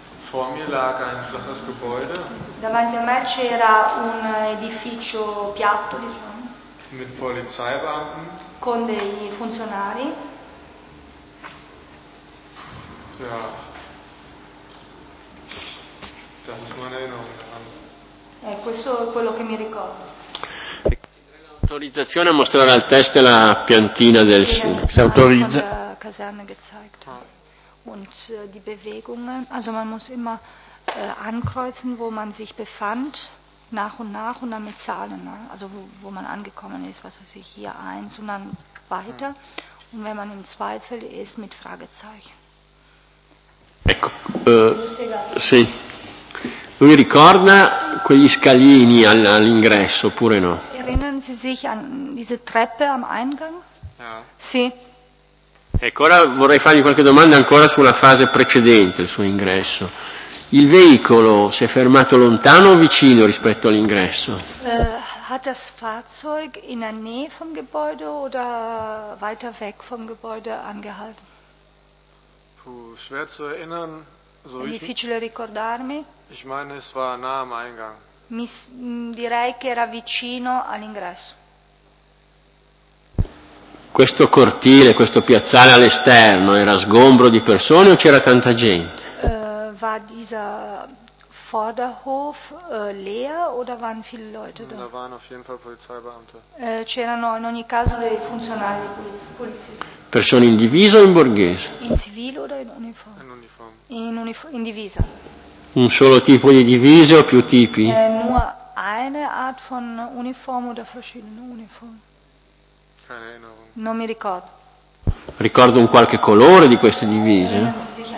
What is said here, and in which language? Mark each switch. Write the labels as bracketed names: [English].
[German] Vor mir lag ein flaches Gebäude. [Italian] Davanti a me c'era un edificio piatto, diciamo. Mit Polizeibeamten. Con dei funzionari. [German] Ja. Das ist meine Erinnerung. [Italian] Questo è quello che mi ricordo. Autorizzazione a mostrare al test la piantina del si autorizza. [German] Kaserne gezeigt und die Bewegungen, also man muss immer ankreuzen, wo man sich befand, nach und nach und dann mit Zahlen, ne? Also wo man angekommen ist, was weiß ich, hier eins und dann weiter. Und wenn man im Zweifel ist, mit Fragezeichen. [Italian] Ecco, sì. Lui ricorda quegli scalini all'ingresso, oppure no? [German] Erinnern Sie sich an diese Treppe am Eingang? Ja. [Italian] Sì. Ecco, ora vorrei fargli qualche domanda ancora sulla fase precedente, il suo ingresso. Il veicolo si è fermato lontano o vicino rispetto all'ingresso? [German] Hat das Fahrzeug in der Nähe vom Gebäude oder weiter weg vom Gebäude angehalten? Schwer zu erinnern. [Italian] So, difficile ricordarmi. [German] Ich meine, es war nah am Eingang. [Italian] Direi che era vicino all'ingresso. Questo cortile, questo piazzale all'esterno, era sgombro di persone o c'era tanta gente? [German] War dieser Vorderhof leer oder waren viele Leute da? Da waren auf jeden Fall Polizeibeamte. [Italian] C'erano in ogni caso dei funzionari polizisti. Persone in divisa o in borghese? In civile o in uniforme? In uniforme. In divisa. Un solo tipo di divisa o più tipi? [German] Nur eine Art von Uniform oder verschiedene Uniform. Keine Erinnerung. [Italian] Non mi ricordo. Ricordo un qualche colore di queste divise?